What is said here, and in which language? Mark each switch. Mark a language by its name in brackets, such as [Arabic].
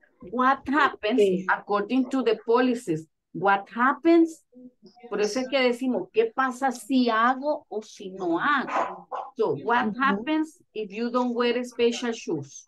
[English] What happens, according to the policies, what happens? [Spanish] Por eso es que decimos, ¿qué pasa si hago o si no hago? [English] So, what happens if you don't wear special shoes?